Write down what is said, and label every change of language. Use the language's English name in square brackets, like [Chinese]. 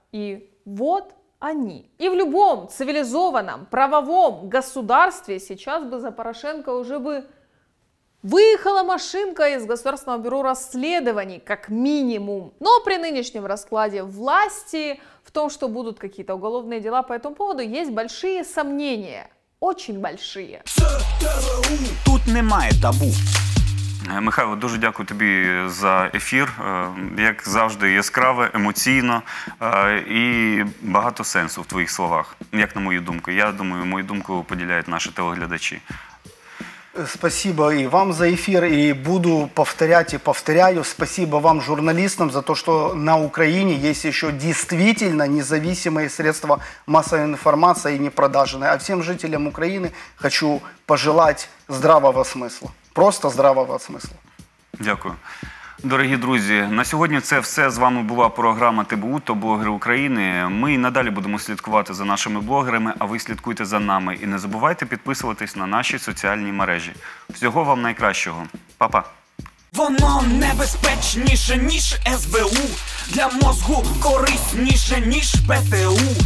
[Russian] И вот они. И в любом цивилизованном правовом государстве сейчас бы за Порошенко уже бы выехала машинка из Государственного бюро расследований, как минимум. Но при нынешнем раскладе власти, в том, что будут какие-то уголовные дела по этому поводу, есть большие сомнения. Очень большие. [Ukrainian] Тут немає табу. Михайло, дуже дякую тобі за ефір. Як завжди, яскраве, емоційно і багато сенсу в твоїх словах, як на мою думку. Я думаю, мою думку поділяють наші телеглядачі. [Russian] Спасибо и вам за эфир, и буду повторять и повторяю. Спасибо вам, журналистам, за то, что на Украине есть еще действительно независимые средства массовой информации и непродажные. А всем жителям Украины хочу пожелать здравого смысла. Просто здравого смысла. [Ukrainian] Дякую. Дорогі друзі, на сьогодні це все. З вами була програма ТБУ «Топ-блогери України». Ми і надалі будемо слідкувати за нашими блогерами, а ви слідкуйте за нами. І не забувайте підписуватись на наші соціальні мережі. Всього вам найкращого. Па-па. Воно небезпечніше, ніж СБУ. Для мозгу корисніше, ніж ПТУ.